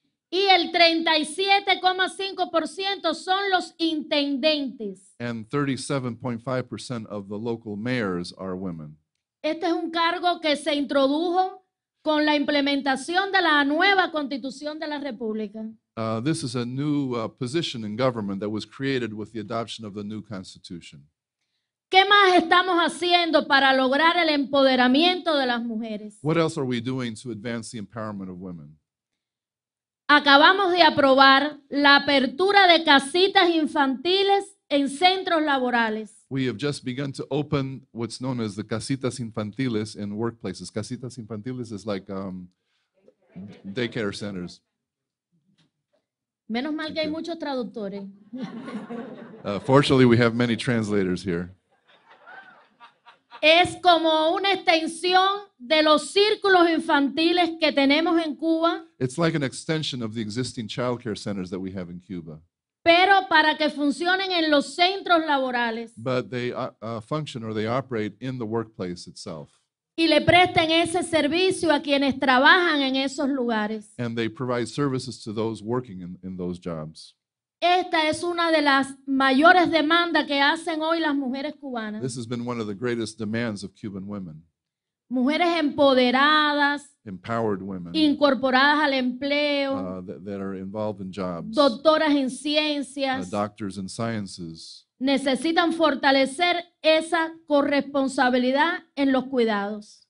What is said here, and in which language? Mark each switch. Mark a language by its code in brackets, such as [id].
[es] Y el 37.5% son los intendentes. [en] And 37.5% of the local mayors are women. [es] Este es un cargo que se introdujo con la implementación de la nueva Constitución de la República. [en] This is a new position in government that was created with the adoption of the new Constitution. [es] ¿Qué más estamos haciendo para lograr el empoderamiento de las mujeres? [en] What else are we doing to advance the empowerment of women? [es] Acabamos de aprobar la apertura de casitas infantiles en centros laborales. [en] We have just begun to open what's known as the casitas infantiles in workplaces. Casitas infantiles is like daycare centers. [es] Menos mal que hay muchos traductores. [en] Fortunately, we have many translators here. [es] Es como una extensión de los círculos infantiles que tenemos en Cuba. [en] It's like an extension of the existing child care centers that we have in Cuba. [es] Pero para que funcionen en los centros laborales. [en] But they function or they operate in the workplace itself. [es] y le presten ese servicio a quienes trabajan en esos lugares. [en] And they provide services to those working in those jobs. [es] Esta es una de las mayores demandas que hacen hoy las mujeres cubanas. [en] This has been one of the greatest demands of Cuban women. [es] Mujeres empoderadas. [en] Empowered women. [es] Incorporadas al empleo. [en] That are involved in jobs. [es] Doctoras en ciencias. [en] Doctors in sciences. [es] Necesitan fortalecer esa corresponsabilidad en los cuidados.